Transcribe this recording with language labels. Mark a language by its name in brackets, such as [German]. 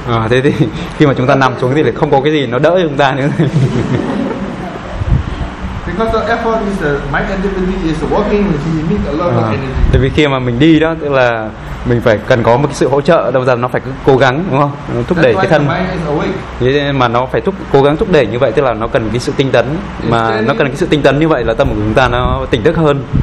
[Vietnamese] Thế thì khi mà chúng ta nằm xuống thì không có cái gì nó đỡ chúng ta nữa. [English] Because the effort is my activity is working, you need a lot of energy. [Vietnamese] Tại vì khi mà mình đi đó, tức là mình phải cần có một cái sự hỗ trợ, đâu ra nó phải cứ cố gắng đúng không? Nó thúc đẩy cái thân. Thế nên mà nó phải cố gắng thúc đẩy như vậy, tức là nó cần cái sự tinh tấn. Mà nó cần cái sự tinh tấn như vậy là tâm của chúng ta nó tỉnh thức hơn.